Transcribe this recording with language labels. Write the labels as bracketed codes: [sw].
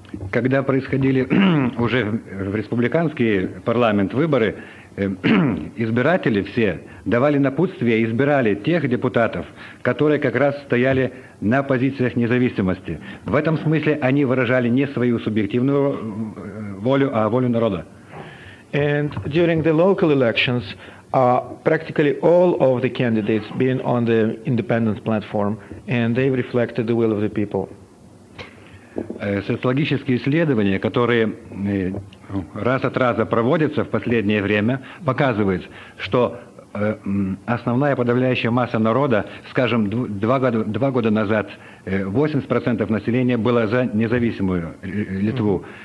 [ru] Когда происходили уже в республиканский парламент выборы, избиратели все давали напутствие, избирали тех депутатов, которые как раз стояли на позициях независимости. В этом смысле они выражали не свою субъективную волю, а волю народа. [en] And during the local elections, practically all of the candidates been on the independence platform, and they reflected the will of the people. [ru] Социологические исследования, которые раз от раза проводятся в последнее время, показывают, что основная подавляющая масса народа, скажем, два года назад 80% населения было за независимую Литву.